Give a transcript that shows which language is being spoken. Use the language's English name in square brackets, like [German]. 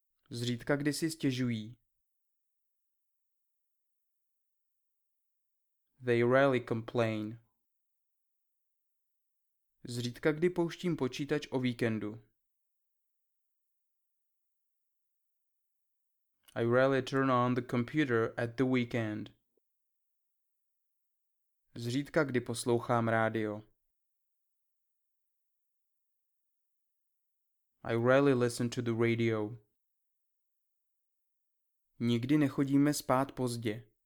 [Czech] Zřídka kdy si stěžují. [English] They rarely complain. [Czech] Zřídka kdy pouštím počítač o víkendu. [English] I rarely turn on the computer at the weekend. [Czech] Zřídka kdy poslouchám rádio. [English] I rarely listen to the radio. [Czech] Nikdy nechodíme spát pozdě.